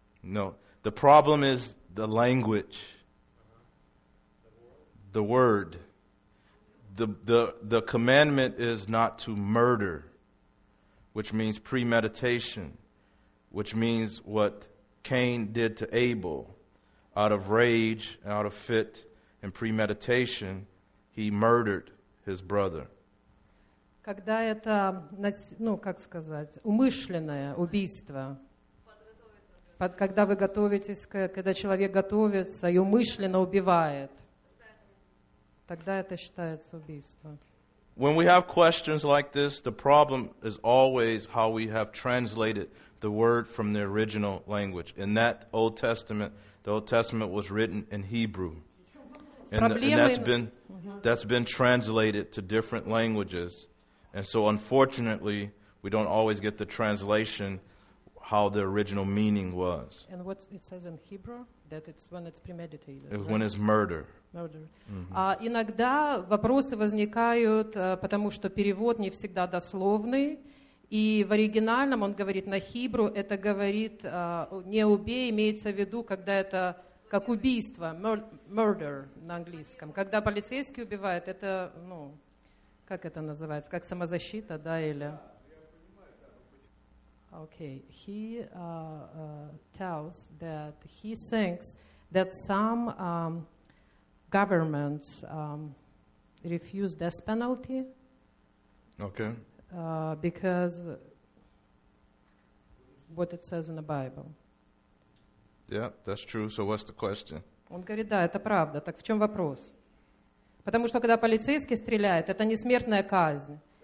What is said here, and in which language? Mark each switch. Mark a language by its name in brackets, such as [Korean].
[English] No, the problem is the language, the word, the commandment is not to murder, which means premeditation, which means what Cain did to Abel. Out of rage, out of fit, and premeditation, he murdered his brother. [Russian] Когда это, ну, как сказать, умышленное убийство. Когда вы готовитесь, когда человек готовится и умышленно убивает, тогда это считается убийством. [English] When we have questions like this, the problem is always how we have translated the word from the original language. In that Old Testament, the Old Testament was written in Hebrew. And that's been translated to different languages. And so unfortunately, we don't always get the translation how the original meaning was. And what it says in Hebrew? That it's when it's premeditated. It was when it's murder. [Russian] Иногда вопросы возникают, потому что перевод не всегда дословный. И в оригинальном он говорит на хибру, это говорит не убей, имеется в виду, когда это как убийство, murder на английском. Когда полицейский убивает, это, ну, как это называется, как самозащита, да, или... [English] Okay, he tells that he thinks that some governments refuse death penalty. Okay. Because what it says in the Bible. Yeah, that's true. So what's the question? [Russian] Он говорит, да, это правда. Так в чем вопрос? Потому что когда полицейский стреляет, это не смертная казнь.